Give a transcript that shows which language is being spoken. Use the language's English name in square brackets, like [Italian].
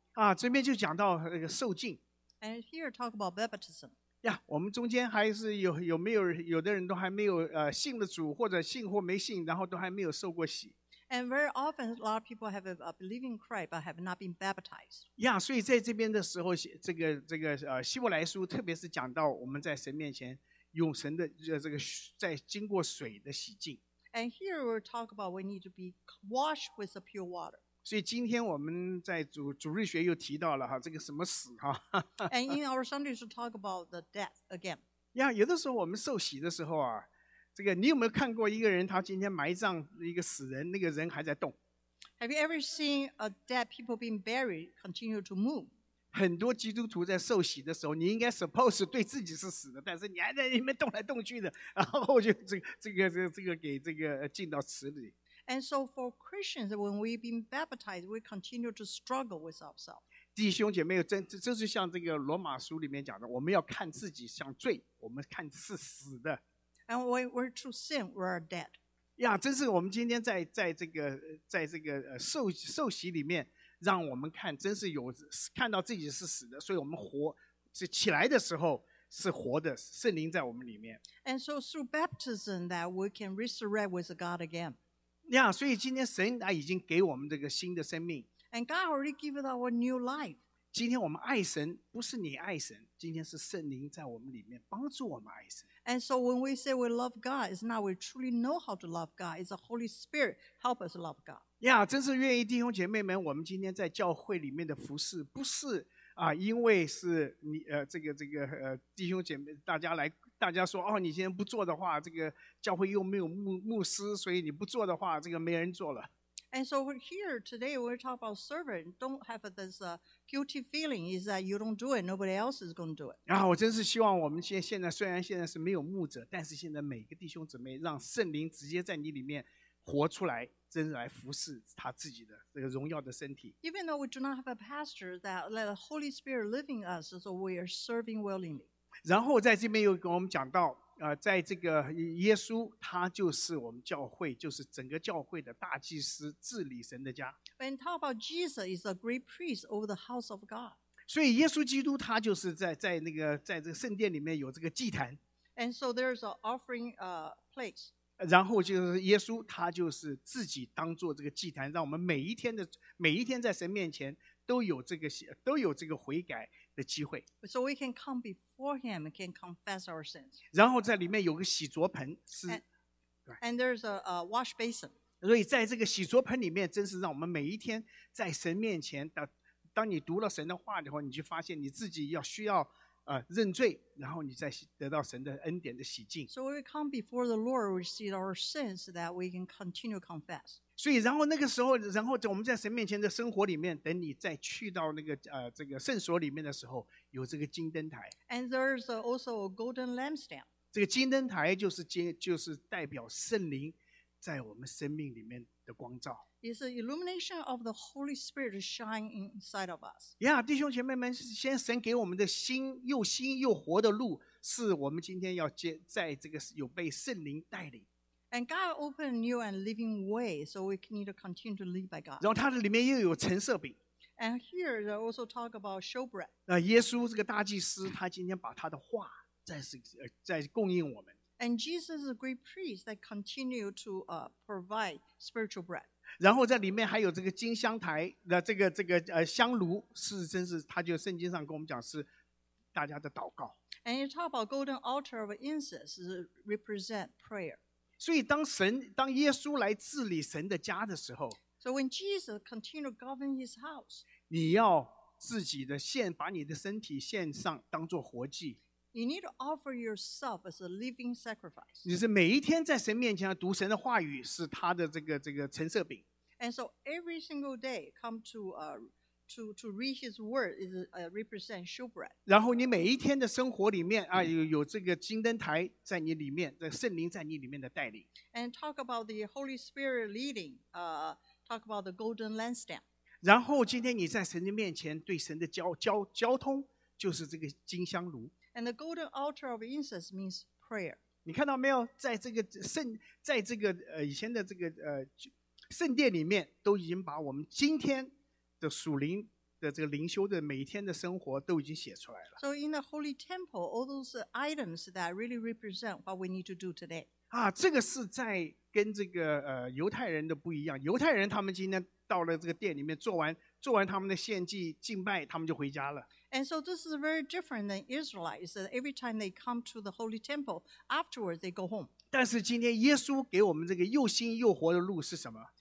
[Chinese] 啊，这边就讲到那个受浸。 [English] And here talk about baptism. [Chinese] Yeah, 我们中间还是有没有有的人都还没有信了主，或者信或没信，然后都还没有受过洗。 [English] And very often, a lot of people have a believing Christ, but have not been baptized. [Chinese] Yeah, 所以在这边的时候，这个希伯来书特别是讲到我们在神面前用神的这个在经过水的洗净。 [English] And here we talk about we need to be washed with the pure water. [Chinese] 所以今天我们在主日学又提到了哈，这个什么死哈。 [English] And in our Sunday we talk about the death again. [Chinese] Yeah, 有的时候我们受洗的时候啊。这个你有没有看过一个人他今天埋葬一个死人那个人还在动 [English] Have you ever seen a dead people being buried continue to move? [Chinese] 很多基督徒在受洗的时候你应该 suppose 对自己是死的但是你还在里面动来动去的然后就这个给这个进到池里 [English] And so for Christians, when we've been baptized, we continue to struggle with ourselves. [Chinese] 弟兄姐妹这是像这个罗马书里面讲的我们要看自己像罪我们看是死的 [English] And we're to sin, we're dead. [Chinese] Yeah, 真是我们今天在这个受洗里面，让我们看，真是有看到自己是死的，所以我们活是起来的时候是活的，圣灵在我们里面。 [English] And so through baptism that we can resurrect with God again. [Chinese] Yeah, 所以今天神他已经给我们这个新的生命。 [English] And God already gave us our new life. [Chinese] 今天我们爱神，不是你爱神，今天是圣灵在我们里面帮助我们爱神。 [English] And so when we say we love God, it's not we truly know how to love God. It's the Holy Spirit help us love God. [Chinese] Yeah, 真是愿意弟兄姐妹们，我们今天在教会里面的服事，不是啊，因为是你弟兄姐妹大家来，大家说哦，你今天不做的话，这个教会又没有牧师，所以你不做的话，这个没人做了。 [English] And so here today we talk about servant. Don't have this guilty feeling is that you don't do it, nobody else is going to do it. [Chinese] 啊，我真是希望我们现在虽然现在是没有牧者，但是现在每个弟兄姊妹让圣灵直接在你里面活出来，真是来服侍他自己的这个荣耀的身体。 [English] Even though we do not have a pastor, that let the Holy Spirit live in us, so we are serving willingly. [Chinese] 然后在这边又跟我们讲到，在这个耶稣他就是我们教会，就是整个教会的大祭司，治理神的家。 [English] When talk about Jesus is a great priest over the house of God. [Chinese] 所以耶稣基督他就是在这个圣殿里面有这个祭坛。 [English] And so there's an offering place. [Chinese] 然后就是耶稣他就是自己当做这个祭坛，让我们每一天在神面前都有这个悔改的机会。 [English] So we can come before him and can confess our sins. [Chinese] 然后在里面有个洗濯盆是。 [English] And there's a wash basin. [Chinese] 所以在这个洗濯盆里面真是让我们每一天在神面前 当你读了神的话的话你就发现你自己要需要认罪然后你再得到神的恩典的洗净 [English] So we come before the Lord we see our sins that we can continue to confess [Chinese] 所以然后那个时候然后我们在神面前的生活里面等你再去到那个这个圣所里面的时候有这个金灯台 [English] And there's also a golden lampstand [Chinese] 这个金灯台就是代表圣灵在我们生命里面的光照 [English] It's an illumination of the Holy Spirit to shine inside of us. [Chinese] Yeah, 弟兄姐妹们，先神给我们的心又新又活的路，是我们今天要接在这个有被圣灵带领。 [English] And God opened a new and living way, so we need to continue to live by God. [Chinese] 然后它里面又有陈设饼。 [English] And here they also talk about showbread. [Chinese] 那耶稣这个大祭司，他今天把他的话在供应我们。 [English] And Jesus is a great priest that continue to provide spiritual bread. [Chinese] 然后在里面还有这个金香台的这个香炉，是真是他就圣经上跟我们讲是大家的祷告。 [English] And you talk about golden altar of incense represent prayer. [Chinese] 所以当耶稣来治理神的家的时候 [English] ，So when Jesus continue to govern his house, [Chinese] 你要自己的献，把你的身体献上，当作活祭。 [English] You need to offer yourself as a living sacrifice. [Chinese] 你是每一天在神面前读神的话语，是他的这个陈设饼。 [English] And so every single day, come to read His word is represent showbread. [Chinese] 然后你每一天的生活里面啊，有这个金灯台在你里面，这圣灵在你里面的带领。 [English] And talk about the Holy Spirit leading. Talk about the golden lampstand. [Chinese] 然后今天你在神的面前对神的交通，就是这个金香炉。 [English] And the golden altar of incense means prayer. [Chinese] 你看到没有？在这个圣，在这个以前的这个圣殿里面，都已经把我们今天的属灵的这个灵修的每一天的生活都已经写出来了。 [English] So in the holy temple, all those items that really represent what we need to do today. [Chinese] 啊，这个是在跟这个犹太人的不一样。犹太人他们今天到了这个殿里面，做完他们的献祭敬拜，他们就回家了。 [English] And so this is very different than Israelites. That every time they come to the holy temple, afterwards they go home. [Chinese] 但是今天耶稣给我们这个又新又活的路是什么？